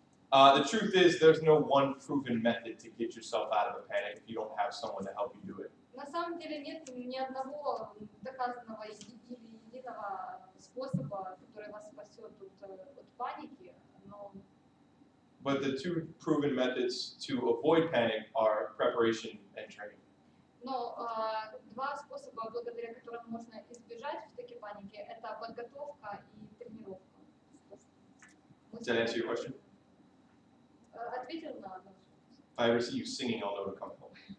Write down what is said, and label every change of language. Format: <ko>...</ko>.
<en>The truth is, there's no one proven method to get yourself out of a panic if you don't have someone to help you do it.</en> <ru>На самом деле нет ни одного доказанного или единого способа, который вас спасет от паники, но...</ru> <en>But the two proven methods to avoid panic are preparation and training.</en> <ru>Но два способа, благодаря которым можно избежать все-таки паники, это подготовка и тренировка.</ru> <en>Did I answer your question?</en> <ru>Ответил на вопрос.</ru> <en>I receive you singing all over the company.</en>